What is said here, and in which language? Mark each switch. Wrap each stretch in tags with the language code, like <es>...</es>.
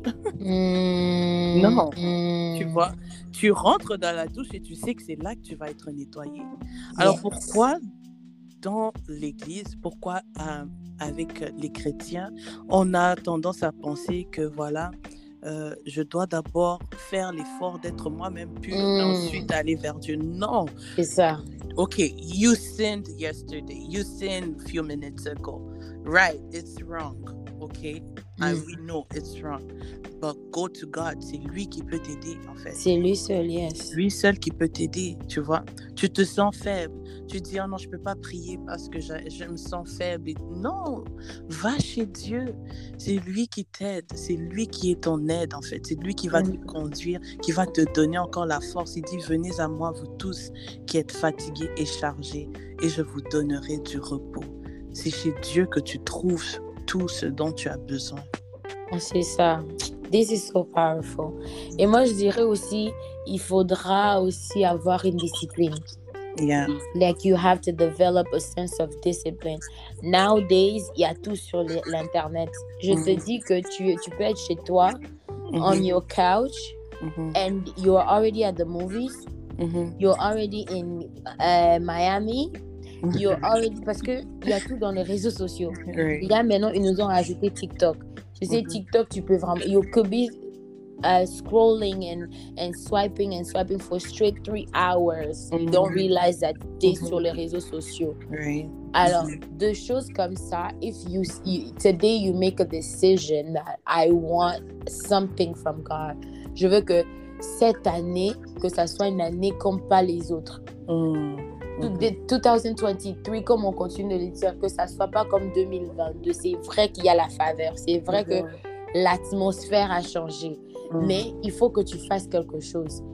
<fr>Tu vois, tu rentres dans la douche et tu sais que c'est là que tu vas être nettoyé. Alors pourquoi dans l'église, pourquoi avec les chrétiens, on a tendance à penser que voilà, je dois d'abord faire l'effort d'être moi-même pur et ensuite aller vers Dieu. Non, c'est ça.</fr> <en>Ok, you sinned yesterday, you sinned a few minutes ago. Right, it's wrong. Ok, and we know it's wrong. But go to God,</en> <fr>c'est lui qui peut t'aider en fait. C'est lui seul, yes. Lui seul qui peut t'aider, tu vois. Tu te sens faible. Tu dis, oh non, je ne peux pas prier parce que je me sens faible. Non, va chez Dieu. C'est lui qui t'aide. C'est lui qui est ton aide en fait. C'est lui qui va te conduire, qui va te donner encore la force. Il dit, venez à moi, vous tous qui êtes fatigués et chargés, et je vous donnerai du repos. C'est chez Dieu que tu trouves tout ce dont tu as besoin. C'est ça.</fr> <en>This is so powerful.</en> <fr>Et moi, je dirais aussi, il faudra aussi avoir une discipline.</fr> <en>Yeah. Like you have to develop a sense of discipline. Nowadays,</en> <fr>il y a tout sur l'internet. Je te dis que tu peux être chez toi,</fr> <en>on your couch, and you're already at the movies. You're already in Miami. You're already,</en> <fr>parce que il y a tout dans les réseaux sociaux.</fr> <en>Right.</en> <fr>Là maintenant, ils nous ont ajouté TikTok. Tu sais, TikTok, tu peux vraiment...</fr> <en>You could be scrolling and swiping for straight 3 hours. You don't realize that they're</en> <fr>sur les réseaux sociaux.</fr> <en>Right.</en> <fr>Alors, deux choses comme ça,</fr> <en>if you today you make a decision that I want something from God.</en> <fr>Je veux que cette année, que ça soit une année comme pas les autres. De 2023, comme on continue de le dire, que ça soit pas comme 2022. C'est vrai qu'il y a la faveur, c'est vrai que l'atmosphère a changé, mais il faut que tu fasses quelque chose.</fr>